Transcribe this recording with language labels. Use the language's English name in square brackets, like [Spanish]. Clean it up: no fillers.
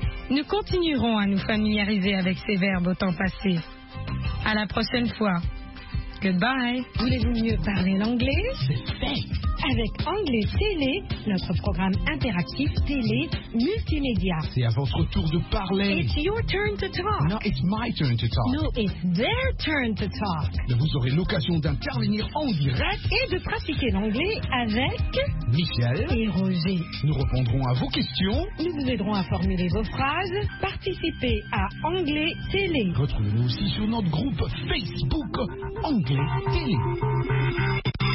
[French] Nous continuerons à nous familiariser avec ces verbes au temps passé. À la prochaine fois. [English] Goodbye. [French] Voulez-vous mieux parler l'anglais? Avec Anglais Télé, notre programme interactif télé multimédia. C'est à votre tour de parler. [English] It's your turn to talk. No, it's my turn to talk. No, it's their turn to talk. [French] Vous aurez l'occasion d'intervenir en direct et de pratiquer l'anglais avec Michel et Roger. Nous répondrons à vos questions. Nous vous aiderons à formuler vos phrases. Participez à Anglais Télé. Retrouvez-nous aussi sur notre groupe Facebook Anglais Télé.